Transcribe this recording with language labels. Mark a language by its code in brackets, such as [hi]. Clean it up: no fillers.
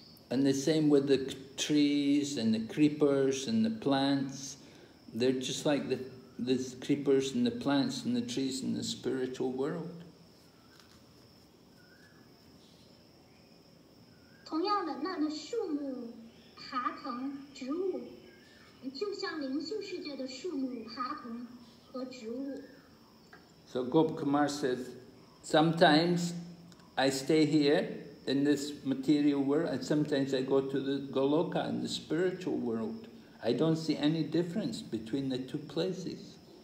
[en] And the same with the trees and the creepers and the plants. They're just like the creepers and the plants and the trees in the spiritual world. [zh] 同样的,那树木,爬藤,植物,就像灵修世界的树木,爬藤和植物。 [en] So Gopakumar says, sometimes I stay here in this material world, and sometimes I go to the Goloka in the spiritual world. I don't see any difference between the two places.